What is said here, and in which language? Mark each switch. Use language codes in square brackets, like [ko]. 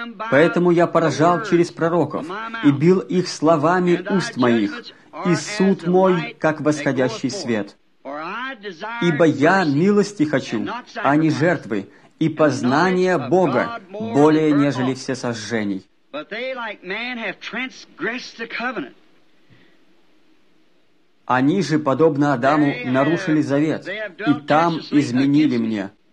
[ru] Поэтому я поражал через пророков и бил их словами уст моих, и суд мой, как восходящий свет. Ибо я милости хочу, а не жертвы, и познание Бога более, нежели все сожжений. [en] But they, like man, have transgressed the covenant. [ru] Они же, подобно Адаму, нарушили завет, и там изменили мне.